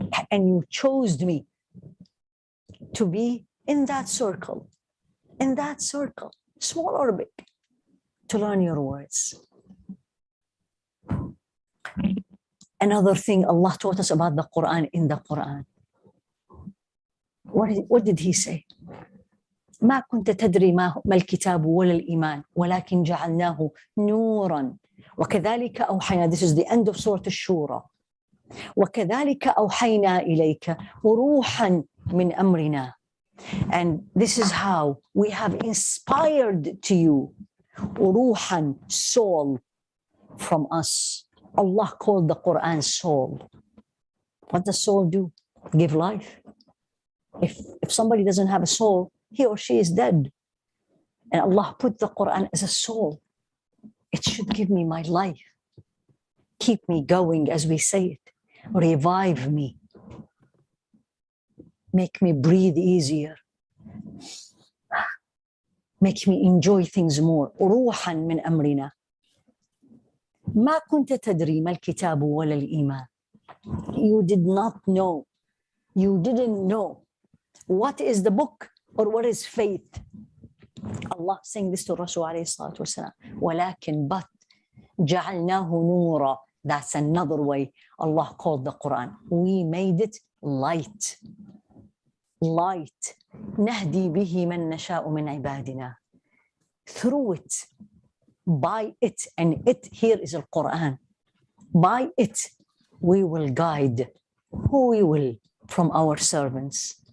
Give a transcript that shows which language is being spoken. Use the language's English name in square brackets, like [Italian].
[English] And you chose me to be in that circle. In that circle, small or big, to learn your words. Another thing Allah taught us about the Quran in the Quran. What did He say? [Arabic] ما كنت تدري ما هو الكتاب ولا الإيمان ولكن جعلناه نورا وكذلك أوحينا. [English] This is the end of سورة الشورى. [Arabic] وكذلك أوحينا إليك روحا من أمرنا. [English] And this is how we have inspired to you روحا, soul from us. Allah called the Quran soul. What does soul do? Give life. If somebody doesn't have a soul, he or she is dead. And Allah put the Quran as a soul. It should give me my life. Keep me going, as we say it. Revive me. Make me breathe easier. Make me enjoy things more. [Arabic] Ruhan min amrina. ما كنت تدري ما الكتاب ولا الإيمان. [English] You did not know. You didn't know. What is the book or what is faith? Allah saying this to Rasul [Arabic] alayhi salatu wasalam. ولكن [English] but [Arabic] جعلناه نورا. [English] That's another way Allah called the Quran. We made it light. Light. [Arabic] نهدي به من نشاء من عبادنا. [English] Through it. By it. And it here is the Quran. By it we will guide who we will from our servants.